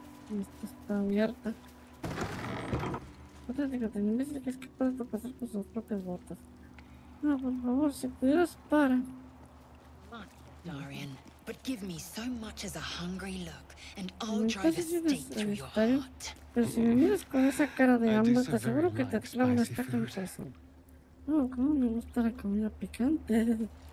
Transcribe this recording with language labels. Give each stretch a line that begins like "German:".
Spanish: Esta está abierta. Otra chica también dice que es capaz de tropezar con sus propias botas. No, por favor, si pudieras, para.
English: Darian, but give me so much as a hungry look, and I'll drive a stake through your heart.
Spanish: Pero si me miras con esa cara de hambre, te aseguro que te clavo una estaca en eso. No, oh, cómo me gusta la comida picante.